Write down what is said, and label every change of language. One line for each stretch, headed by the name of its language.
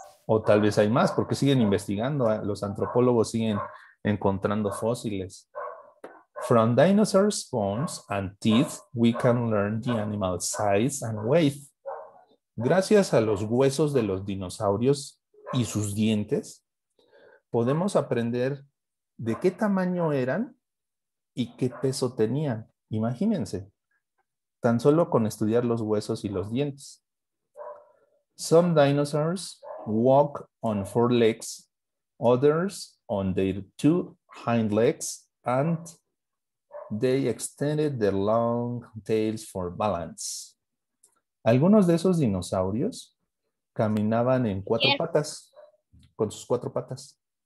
Spanish: O tal vez hay más, porque siguen investigando, ¿eh? Los antropólogos siguen encontrando fósiles.
English: From dinosaurs' bones and teeth, we can learn the animal size and weight.
Spanish: Gracias a los huesos de los dinosaurios y sus dientes, podemos aprender de qué tamaño eran y qué peso tenían. Imagínense, tan solo con estudiar los huesos y los dientes.
English: Some dinosaurs walk on four legs, others on their two hind legs, and they extended their long tails for balance.
Spanish: Algunos de esos dinosaurios caminaban en cuatro patas, con sus cuatro patas.